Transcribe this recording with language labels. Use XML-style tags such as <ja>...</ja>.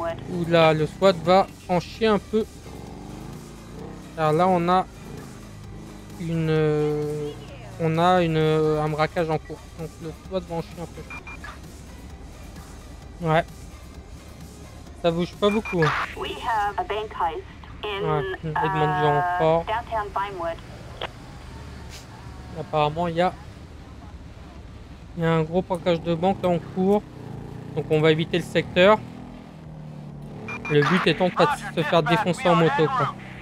<fr>Oula, le SWAT va en chier un peu. Car là, on a une... On a une, un braquage en cours. Donc le SWAT va en chier un peu. Ouais. Ça bouge pas beaucoup.</fr> <en>We have a bank heist in, downtown Vinewood.</en> <fr>Apparemment, il y a... Il y a un gros braquage de banque là en cours. Donc on va éviter le secteur. Le but étant de pas se faire défoncer en moto, quoi.</fr>